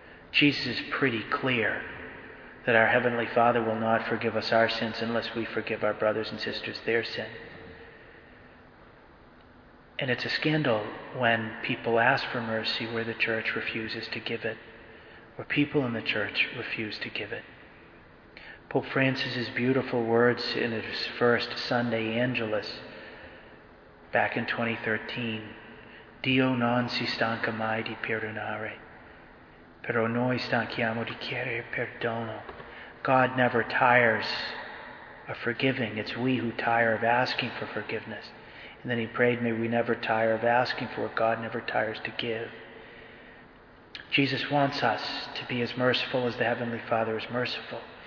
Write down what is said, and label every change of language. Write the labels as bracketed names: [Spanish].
[English] Jesus is pretty clear that our Heavenly Father will not forgive us our sins unless we forgive our brothers and sisters their sin. And it's a scandal when people ask for mercy where the church refuses to give it, where people in the church refuse to give it. Pope Francis's beautiful words in his first Sunday Angelus back in 2013, [Italian] Dio non si stanca mai di perdonare, però noi stanchiamo di chiedere perdono. [English] God never tires of forgiving. It's we who tire of asking for forgiveness. And then he prayed, may we never tire of asking for what God never tires to give. Jesus wants us to be as merciful as the Heavenly Father is merciful.